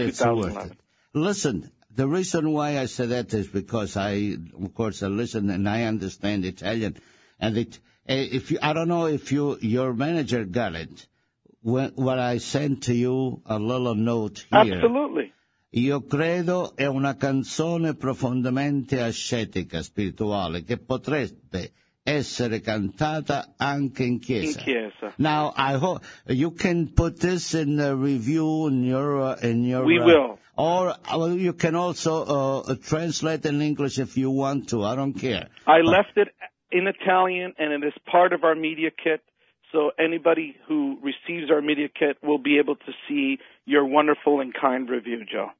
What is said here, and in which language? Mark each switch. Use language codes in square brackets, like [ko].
[en] it's 2011. Worth it. Listen, the reason why I say that is because I, of course, I listen and I understand Italian. And it, if you, I don't know if you, your manager got it. What I sent to you a little note here. Absolutely. [it] Io credo è una canzone profondamente ascetica, spirituale, che potrebbe essere cantata anche in chiesa. In chiesa. [en] Now I hope you can put this in the review in your. We will. Or you can also translate in English if you want to. I don't care. I left it in Italian, and it is part of our media kit. So anybody who receives our media kit will be able to see your wonderful and kind review, Joe.